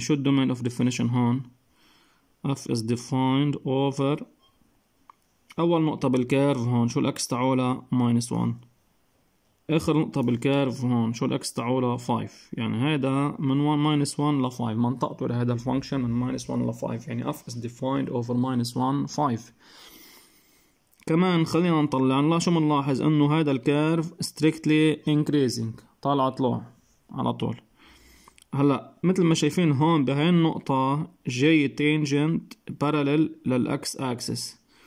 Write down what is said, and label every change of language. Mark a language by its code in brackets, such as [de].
[ar] شو الدومين اوف ديفينيشن هون؟ [en] f is defined over [ar] اول نقطة بالكيرف هون شو الاكس تعولها؟ minus 1. اخر نقطة بالكيرف هون شو الاكس تعولها؟ 5. يعني هيدا من 1 minus 1 ل 5 منطقته لهذا الفانكشن من minus 1 ل 5. [en] يعني f is defined over minus 1 5. [ar] كمان خلينا نطلع نلا شو منلاحظ انه هذا الكيرف strictly increasing طالع طلوع على طول. هلا مثل ما شايفين هون بهاي النقطة جاي تانجنت بارلل للاكس اكسس.